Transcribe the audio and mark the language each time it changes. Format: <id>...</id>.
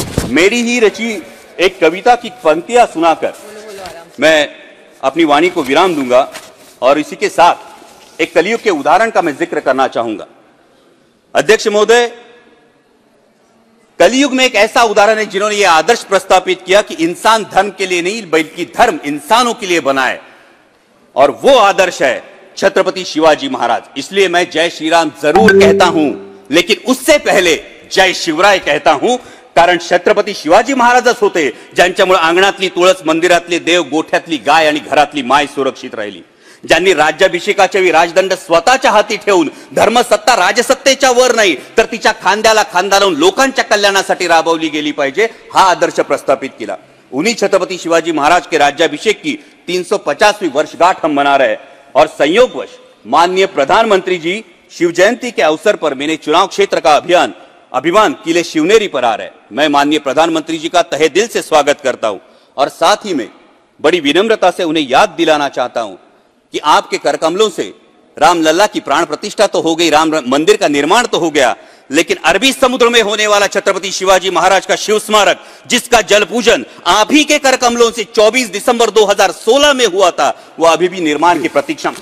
<hi>मेरी ही रची एक कविता की पंक्तियां सुनाकर मैं अपनी वाणी को विराम दूंगा, और इसी के साथ एक कलियुग के उदाहरण का मैं जिक्र करना चाहूंगा। अध्यक्ष महोदय, कलियुग में एक ऐसा उदाहरण है जिन्होंने यह आदर्श प्रस्तापित किया कि इंसान धर्म के लिए नहीं बल्कि धर्म इंसानों के लिए बनाए, और वो आदर्श है छत्रपति शिवाजी महाराज। इसलिए मैं जय श्री राम जरूर कहता हूं, लेकिन उससे पहले जय शिवराय कहता हूं,</hi> <mr>कारण छत्रपति शिवाजी महाराज होते ज्यांच्यामुळे अंगणातली तुळस, मंदिरातले देव, गोठ्यातली गाय आणि घरातली माय सुरक्षित राहिली, ज्यांनी राज्याभिषेकाच्या वेळी राजदंड स्वतःच्या हाती ठेवून धर्मसत्ता राजसत्तेच्या वर नाही तर तिच्या खांद्याला खांदा लावून लोकांच्या कल्याणासाठी राबवली गेली पाहिजे, हा आदर्श प्रस्थापित केला।</mr> <hi>उन्हीं छत्रपती शिवाजी महाराज के राज्याभिषेक की 350वीं वर्षगांठ हम मना रहे, और संयोगवश माननीय प्रधानमंत्री जी शिव जयंती के अवसर पर मैंने चुनाव क्षेत्र का अभिमान किले शिवनेरी पर आ रहे, मैं माननीय प्रधानमंत्री जी का तहे दिल से स्वागत करता हूं, और साथ ही में बड़ी विनम्रता से उन्हें याद दिलाना चाहता हूं कि आपके करकमलों से रामलला की प्राण प्रतिष्ठा तो हो गई, राम मंदिर का निर्माण तो हो गया, लेकिन अरबी समुद्र में होने वाला छत्रपति शिवाजी महाराज का शिव स्मारक, जिसका जल पूजन आप ही के करकमलों से 24 दिसंबर 2016 में हुआ था, वह अभी भी निर्माण की प्रतीक्षा।</hi>